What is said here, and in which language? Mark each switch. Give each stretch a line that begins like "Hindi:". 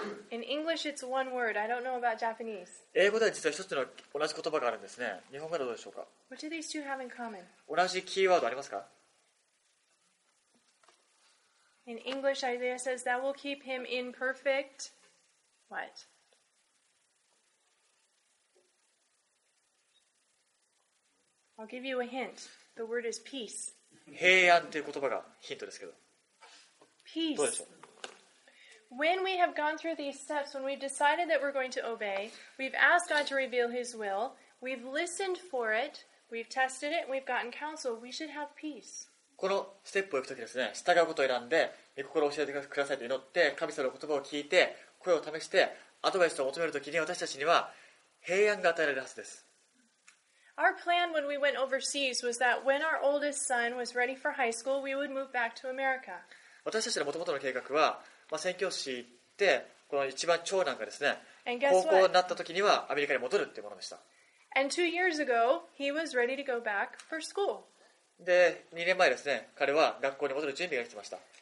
English: In English, it's one word. I don't know about Japanese.
Japanese: 英語では実は一つの同じ言葉があるんですね。日本語ではどうでしょうか?
English: What do these two have in common?
Japanese: 同じキーワードありますか?
English: In English, Isaiah says that will keep him in perfect. What? I'll give you a hint. The word is peace.
Japanese: 平安という言葉がヒントですけど。
English: Peace.
Japanese: どうでしょう?
English: When we have gone through these steps, when we've decided that we're going to obey, we've asked God to reveal His will, we've listened for it, we've tested it, we've gotten counsel, we should have peace.
Japanese: このステップを行くときですね、従うことを選んで、御心を教えてくださいと祈って、神様の言葉を聞いて、声を試して、アドバイスを求めるときに、私たちには平安が与えられるはずです。
English: Our plan when we went overseas was that when our oldest son was ready for high school, we would move back to America.
Japanese: 私たちのもともとの計画は、まあ、宣教師行って、この一番長男がですね、高校になったときにはアメリカに戻るというものでした。
English: And 2 years ago, he was ready to go back for school. で、2年前ですね、彼は学校に戻る準備ができてました。